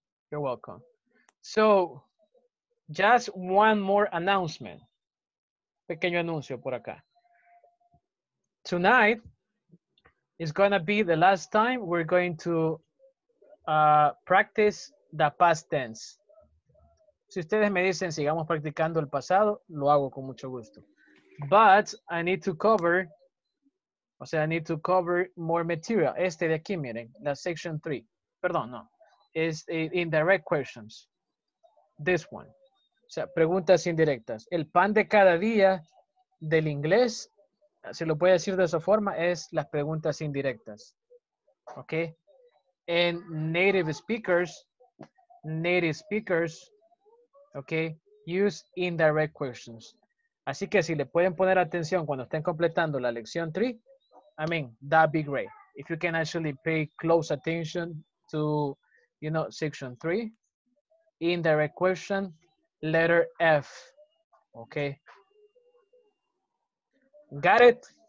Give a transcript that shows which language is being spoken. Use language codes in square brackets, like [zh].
[en] You're welcome. So, just one more announcement. [es] Pequeño anuncio por acá. [en] Tonight is gonna be the last time we're going to practice the past tense. [es] Si ustedes me dicen sigamos practicando el pasado, lo hago con mucho gusto. [en] But I need to cover, [es] o sea, [en] I need to cover more material. [es] Este de aquí, miren, la section 3. Perdón, no. Es indirect questions. [en] This one. [es] O sea, preguntas indirectas. El pan de cada día del inglés. Se lo puede decir de esa forma, es las preguntas indirectas. ¿Ok? [en] En native speakers, ¿ok? Use indirect questions. [es] Así que si le pueden poner atención cuando estén completando la lección 3, [en] I mean, that'd be great. If you can actually pay close attention to, you know, section 3, indirect question, letter F. ¿Ok? Got it.